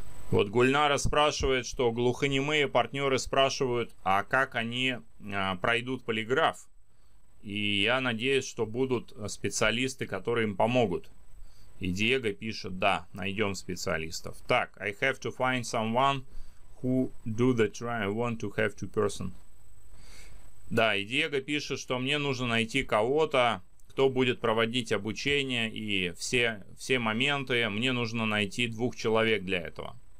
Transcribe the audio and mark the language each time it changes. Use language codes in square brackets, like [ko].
[ru] Вот Гульнара спрашивает, что глухонемые партнеры спрашивают, а как они пройдут полиграф. И я надеюсь, что будут специалисты, которые им помогут. И Диего пишет, да, найдем специалистов. Так, [en] I have to find someone who do the try, I want to have two person. [ru] Да, и Диего пишет, что мне нужно найти кого-то, кто будет проводить обучение и все моменты. Мне нужно найти двух человек для этого.